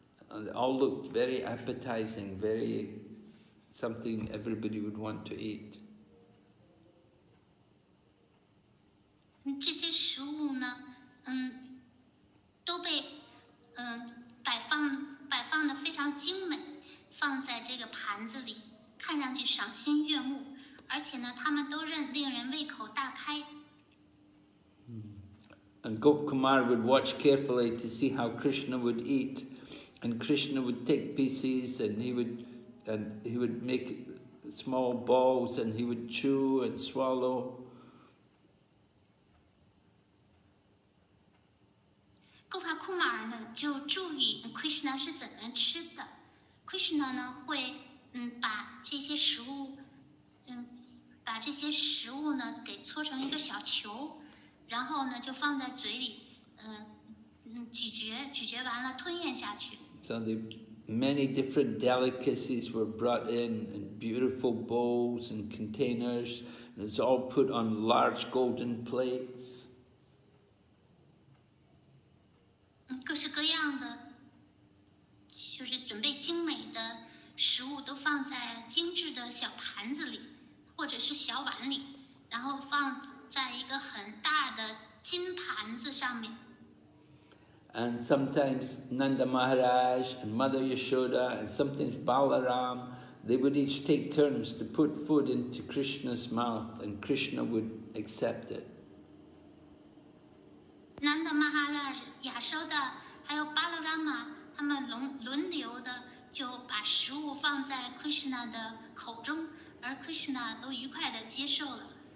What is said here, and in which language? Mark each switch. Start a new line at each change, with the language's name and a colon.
English: And it all looked very appetizing, very something everybody would want to eat.
Chinese: 这些食物呢，都被摆放的非常精美，放在这个盘子里，看上去赏心悦目，而且呢，他们都令人胃口大开。
English: And Gop Kumar would watch carefully to see how Krishna would eat, and Krishna would take pieces and he would make small balls and he would chew and swallow.
Chinese: Gopal Kumar 呢就注意 Krishna 是怎么吃的。 Krishna 呢会把这些食物把这些食物呢给搓成一个小球，然后呢就放在嘴里，咀嚼完了吞咽下去。
English: So the many different delicacies were brought in, in beautiful bowls and containers, and it's all put on large golden plates.
Chinese: 各式各样的，就是准备精美的食物都放在精致的小盘子里，或者是小碗里，然后放在一个很大的金盘子上面。
English: And sometimes Nanda Maharaj and Mother Yashoda and sometimes Balaram, they would each take turns to put food into Krishna's mouth and Krishna would accept it.
Chinese: Nanda Maharaj, Yashoda, 还有 Balarama, 他们轮流的就把食物放在 Krishna 的口中，而 Krishna 都愉快地接受了。